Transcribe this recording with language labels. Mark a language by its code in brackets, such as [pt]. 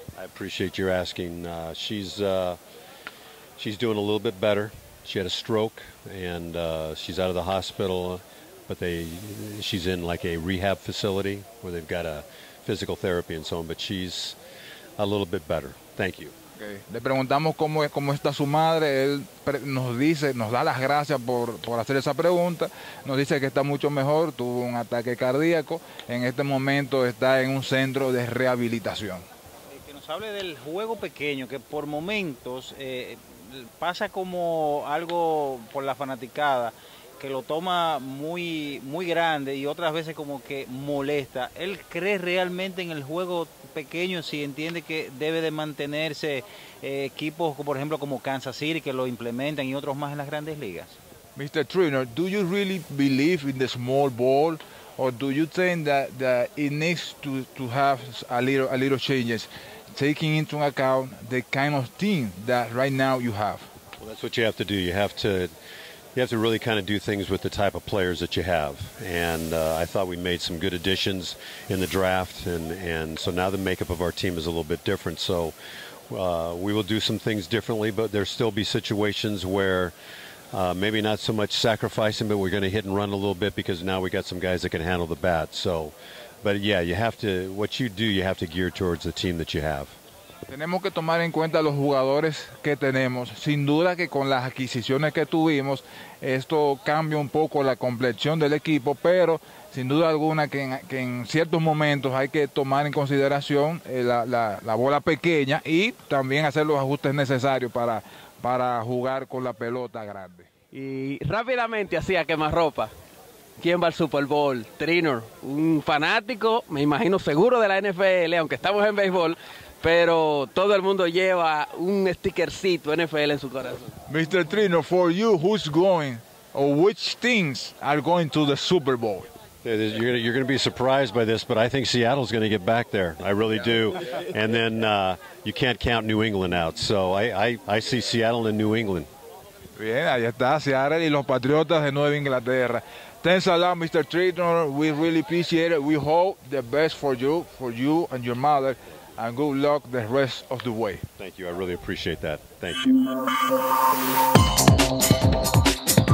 [en] I appreciate you asking. She's doing a little bit better. She had a stroke and she's out of the hospital, but she's in like a rehab facility where they've got a physical therapy and so on, but she's a little bit better. Thank you. [es] Okay. Le preguntamos cómo está su madre. Él nos da las gracias por hacer esa pregunta. Nos dice que está mucho mejor, tuvo un ataque cardíaco. En este momento está en un centro de rehabilitación. Que nos hable del juego pequeño, que por momentos pasa como algo por la fanaticada, que lo toma muy, muy grande y otras veces como que molesta. ¿Él cree realmente en el juego pequeño, si entiende que debe de mantenerse equipos, por ejemplo, como Kansas City, que lo implementan, y otros más en las grandes ligas? [en] Mr. Trinor, do you really believe in the small ball, or do you think that it needs to have a little changes, taking into account the kind of team that right now you have? Well, that's what you have to do. You have to really kind of do things with the type of players that you have. And I thought we made some good additions in the draft. And so now the makeup of our team is a little bit different. So we will do some things differently, but there'll still be situations where maybe not so much sacrificing, but we're going to hit and run a little bit because now we got some guys that can handle the bat. So, but yeah, you have to gear towards the team that you have. [es] Tenemos que tomar en cuenta los jugadores que tenemos. Sin duda que con las adquisiciones que tuvimos, esto cambia un poco la complexión del equipo, pero sin duda alguna que en ciertos momentos hay que tomar en consideración la bola pequeña y también hacer los ajustes necesarios para jugar con la pelota grande. Y rápidamente, así a quemarropa, ¿quién va al Super Bowl? Trinor, un fanático, me imagino seguro de la NFL, aunque estamos en béisbol, pero todo el mundo lleva un stickercito NFL en su corazón. [en] Mr. Trino, for you, who's going or which teams are going to the Super Bowl? You're going to be surprised by this, but I think Seattle's going to get back there. I really do. And then you can't count New England out. So I see Seattle and New England. [es] Bien, ahí está Seattle y los Patriotas de Nueva Inglaterra. [en] Thanks a lot, Mr. Trino. We really appreciate it. We hope the best for you and your mother. And good luck the rest of the way. Thank you. I really appreciate that. Thank you.